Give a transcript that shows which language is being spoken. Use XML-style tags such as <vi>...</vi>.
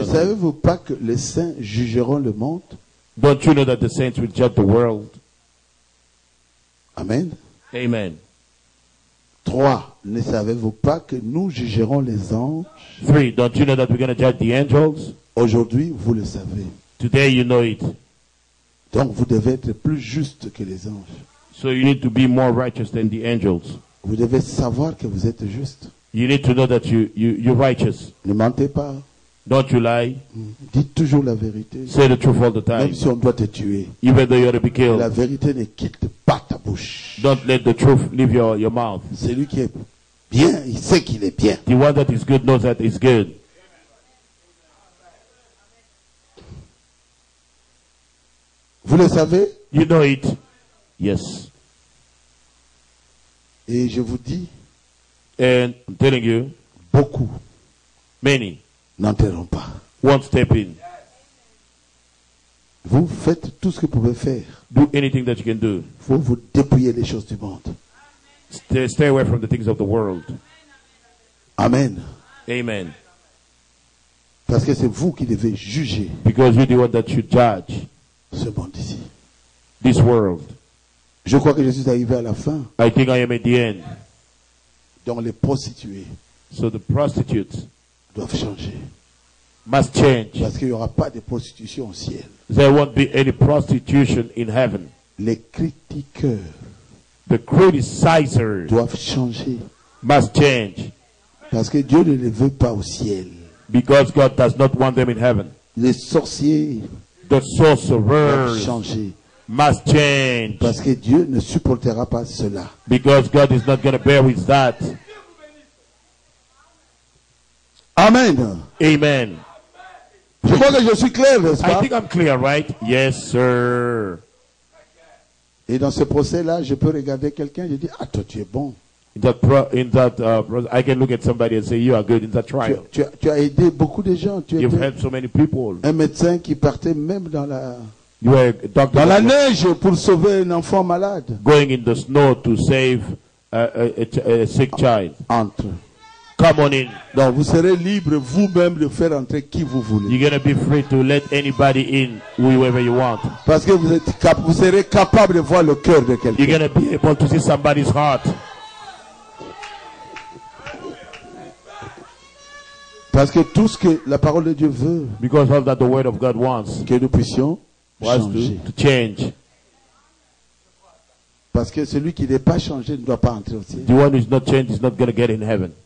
<fr>ne savez-vous pas que les saints jugeront le monde?</fr> <en>Don't you know that the saints will judge the world? Amen. Amen. 3.</en> <fr>Ne savez-vous pas que nous jugerons les anges? 3.</fr> <en>Don't you know that we're going to judge the angels?</en> <fr>Aujourd'hui, vous le savez.</fr> <en>Today, you know it.</en> <fr>Donc vous devez être plus juste que les anges.</fr> <en>So you need to be more righteous than the angels.</en> <fr>Vous devez savoir que vous êtes juste.</fr> <en>You need to know that you're righteous.</en> <fr>Ne mentez pas.</fr> <en>Don't you lie.</en> <fr>Dites toujours la vérité.</fr> <en>Say the truth all the time.</en> <fr>Même si on doit te tuer.</fr> <en>Even though you're to be killed.</en> <fr>La vérité ne quitte pas ta bouche.</fr> <en>Don't let the truth leave your mouth.</en> <fr>Celui qui est bien, il sait qu'il est bien.</fr> <en>The one that is good knows that he's good.</en> <fr>Vous le savez?</fr> <en>You know it. Yes.</en> <fr>Et je vous dis,</fr> <en>and I'm telling you,</en> <fr>beaucoup,</fr> <en>many,</en> <fr>n'entreront pas.</fr> <en>Won't step in.</en> <fr>Vous faites tout ce que vous pouvez faire.</fr> <en>Do anything that you can do.</en> <fr>Vous vous dépouillez les choses du monde.</fr> <en>Stay away from the things of the world. Amen. Amen.</en> <fr>Parce que c'est vous qui devez juger.</fr> <en>Because you're the one that should judge.</en> <fr>Ce monde ici.</fr> <en>This world.</en> <fr>Je crois que Jésus est arrivé à la fin.</fr> <en>I think I am at the end.</en> <fr>Donc les prostituées.</fr> <en>So the prostitutes</en> <fr>doivent changer.</fr> <en>Must change.</en> <fr>Parce qu'il n'y aura pas de prostitution au ciel.</fr> <en>There won't be any prostitution in heaven.</en> <fr>Les critiqueurs.</fr> <en>The criticizers</en> <fr>doivent changer.</fr> <en>Must change.</en> <fr>Parce que Dieu ne les veut pas au ciel.</fr> <en>Because God does not want them in heaven.</en> <fr>Les sorciers.</fr> <en>The sorcerers</en> <fr>doit changer.</fr> <en>Must change.</en> <fr>Parce que Dieu ne supportera pas cela.</fr> <en>Because God is not going to bear with that. Amen. Amen.</en> <fr>Je crois que je suis clair, n'est-ce pas?</fr> <en>I think I'm clear, right? Yes, sir.</en> <fr>Et dans ce procès-là, je peux regarder quelqu'un et dire, ah, toi, tu es bon.</fr> <en>I can look at somebody and say you are good in that trial.</en> <fr>Tu as aidé beaucoup de gens.</fr> <en>You've helped so many people.</en> <fr>Un médecin qui partait même dans la</fr> <en>you were a doctor</en> <fr>dans la neige pour sauver un enfant malade.</fr> <en>Going in the snow to save a sick child.</en> <fr>Entre.</fr> <en>Come on in.</en> <fr>Donc vous serez libre vous-même de faire entrer qui vous voulez.</fr> <en>You're gonna be free to let anybody in whoever you want.</en> <fr>Parce que vous serez capable de voir le cœur de quelqu'un.</fr> <en>You're gonna be able to see somebody's heart.</en> <fr>Parce que tout ce que la parole de Dieu veut,</fr> <en>because of that the word of God wants,</en> <fr>que nous puissions changer.</fr> <en>To change.</en> <fr>Parce que celui qui n'est pas changé ne doit pas entrer au ciel.</fr> <en>The one who is not changed is not going to get in heaven.</en>